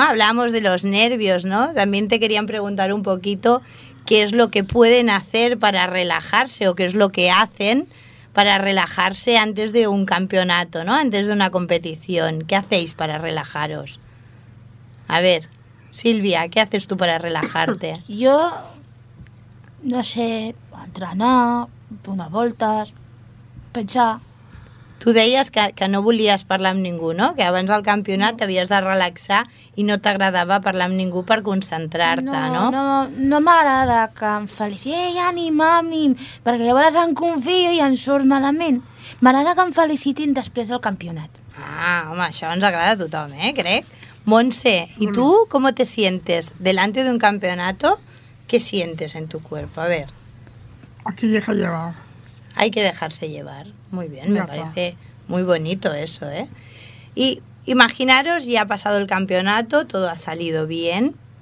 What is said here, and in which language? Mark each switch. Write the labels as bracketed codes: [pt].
[es] Hablamos de los nervios, ¿no? También te querían preguntar un poquito qué es lo que pueden hacer para relajarse o qué es lo que hacen para relajarse antes de un campeonato, ¿no? Antes de una competición. ¿Qué hacéis para relajaros? A ver, Silvia, ¿qué haces tú para relajarte? Yo, no sé, entrenar, unas vueltas, pensar... [ca] Tu deies que no volies parlar amb ningú, no? Que abans del campionat t'havies de relaxar i no t'agradava parlar amb ningú per concentrar-te, no? No m'agrada que em feliciti. Ei, Ani, mami, perquè llavors em confio i em surt malament. M'agrada que em felicitin després del campionat. Ah, home, això ens agrada a tothom, crec. [es] Montse, ¿y tú cómo te sientes delante de un campeonato? ¿Qué sientes en tu cuerpo? A ver. Aquí deja llevar. Hay que dejarse llevar. Muy bien, me parece muy bonito eso, ¿eh? Y imaginaros, ya ha pasado el campeonato, todo ha salido bien.